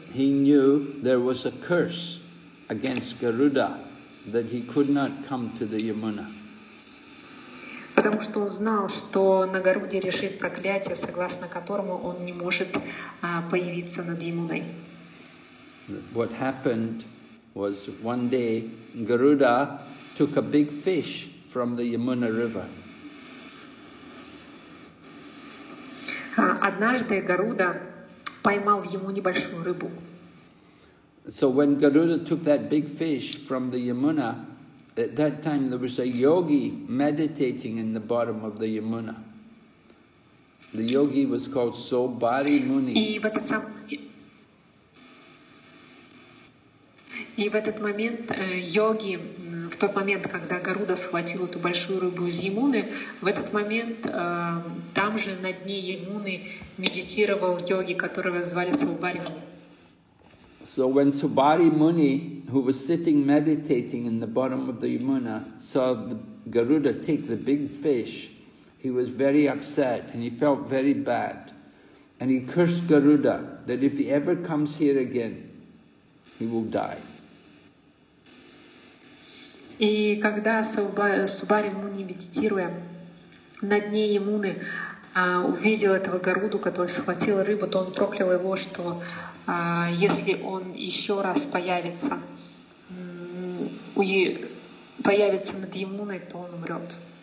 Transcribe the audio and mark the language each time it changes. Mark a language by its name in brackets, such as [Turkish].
[English] He knew there was a curse against Garuda, that he could not come to the Yamuna. [Russian] Потому что он знал, что на Гаруде решит проклятие, согласно которому он не может появиться над Ямуной. [English] What happened was one day Garuda took a big fish from the Yamuna River. [Russian] Однажды Гаруда поймал в Ямуне большую рыбу. [English] So when Garuda took that big fish from the Yamuna, at that time there was a yogi meditating in the bottom of the Yamuna. The yogi was called Sobari Muni. [Russian] И в этот момент йоги, в тот момент, когда Гаруда схватил эту большую рыбу из Ямуны, в этот момент там же на дне Ямуны медитировал йоги, которого звали Субари Муни. [English] So when Subari Muni, who was sitting meditating in the bottom of the Yamuna, saw the Garuda take the big fish, he was very upset and he felt very bad. And he cursed Garuda that if he ever comes here again, he will die. [Russian] И когда Субари Муни, медитируя на дне Ямуны, увидел этого Гаруду, который схватил рыбу, то он проклял его, что если он еще раз появится над Ямуной, то он умрет.